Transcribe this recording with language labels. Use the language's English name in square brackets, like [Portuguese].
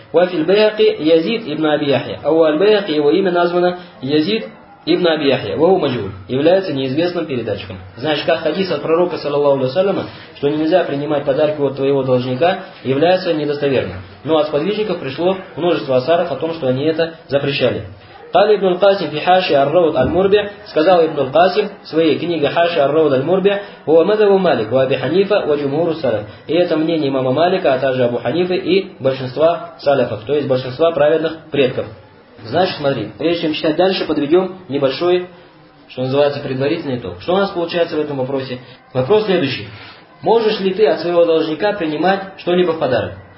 [Arabic] Вафиль Байхаки Язид ибн Аби Яхья. [Russian] А у Аль-Байхаки его имя названо Язид ибн Аби Яхья. [Arabic] Вау Маджур. [Russian] Является неизвестным передатчиком. Значит, как хадис от пророка, саллаллаху алейхи ва саллям, что нельзя принимать подарки от твоего должника, является недостоверным. Но от сподвижников пришло множество асаров о том, что они это запрещали. [Arabic] قال ابن القاسم في حاشية الروض المربع [Russian] сказал [Arabic] ابن القاسم [Russian] в своей книге [Arabic] حاشية الروض المربع هو مذهب مالك وابي حنيفة وجمهور السلف. [Russian] И это мнение имама Малика, а также Абу Ханифы и большинства салифов, то есть большинства праведных предков. Значит, смотри, прежде чем читать дальше, подведем небольшой, что называется, предварительный итог. Что у нас получается в этом вопросе? Вопрос следующий. Можешь ли ты от своего должника принимать что-либо в подарок?